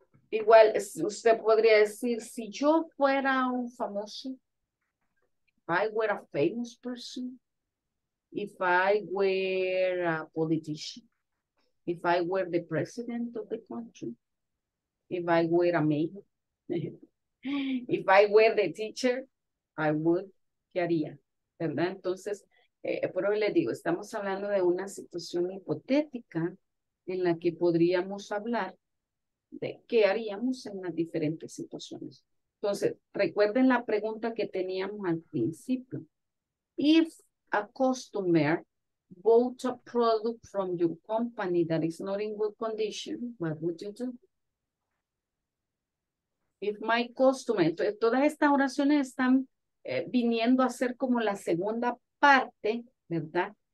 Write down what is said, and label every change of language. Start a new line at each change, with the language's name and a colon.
Spanish: Igual, usted podría decir, si yo fuera un famoso,
English: if I were a famous person, if I were a politician, if I were the president of the country, if I were a mayor, if I were the teacher, I would,
Spanish: ¿qué haría? ¿Verdad? Entonces, por hoy le digo, estamos hablando de una situación hipotética en la que podríamos hablar de qué haríamos en las diferentes situaciones. Entonces, recuerden la pregunta que teníamos al principio.
English: If a customer bought a product from your company that is not in good condition, what would you do? If my customer,
Spanish: entonces, todas estas oraciones están viniendo a ser como la segunda parte, ¿verdad?